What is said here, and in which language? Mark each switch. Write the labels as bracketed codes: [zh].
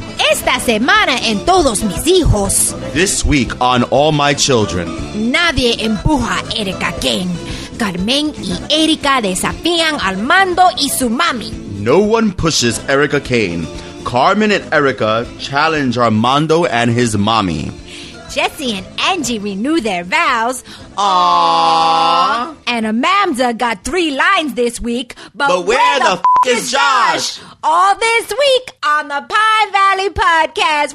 [es] Esta semana en todos mis hijos. [en] This week on all my children. [es] Nadie empuja a Erica Kane. Carmen y Erica desafían al mando y su mami. [en] No one pushes Erica Kane. Carmen and Erica challenge Armando and his mommy. Jesse and Angie renew their vows. Aww. And Amanda got 3 lines this week. But where the f*** is Josh? All this week on the Pine Valley Podcast.